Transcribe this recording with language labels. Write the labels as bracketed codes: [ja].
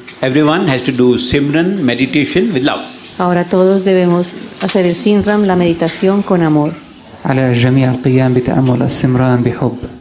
[en] Everyone has to do simran meditation with love. [es] Ahora todos debemos hacer el simran la meditación con amor. [ar] على الجميع القيام بتأمل السمران بحب.